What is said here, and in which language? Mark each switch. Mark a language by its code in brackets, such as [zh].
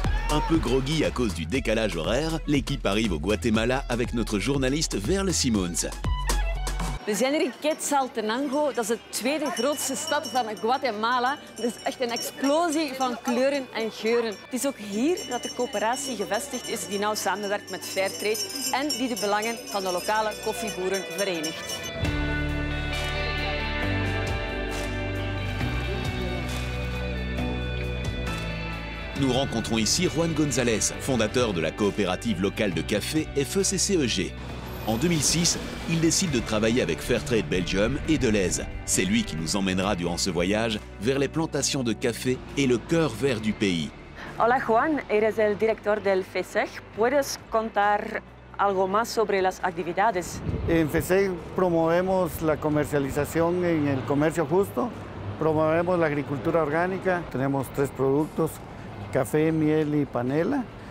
[fr] Un peu groggy à cause du décalage horaire, l'équipe arrive au Guatemala avec notre journaliste Verle Simons. [nl] We zijn hier in Quetzaltenango, dat is de tweede grootste stad van Guatemala. Het is echt een explosie van kleuren en geuren. Het is ook hier dat de coöperatie gevestigd is die nou samenwerkt met Fairtrade en die de belangen van de lokale koffieboeren verenigt. [fr] Nous rencontrons ici Juan González, fondateur de la coopérative locale de café FECCEG. En 2006, il décide de travailler avec Fairtrade Belgium et Deleuze. C'est lui qui nous emmènera durant ce voyage vers les plantations de café et le cœur vert du pays. [es] Hola Juan, eres el director del FESEG. ¿Puedes contar algo más sobre las actividades? En FESEG promovemos la comercialización en el comercio justo, promovemos la agricultura orgánica, tenemos tres productos: café, miel y panela.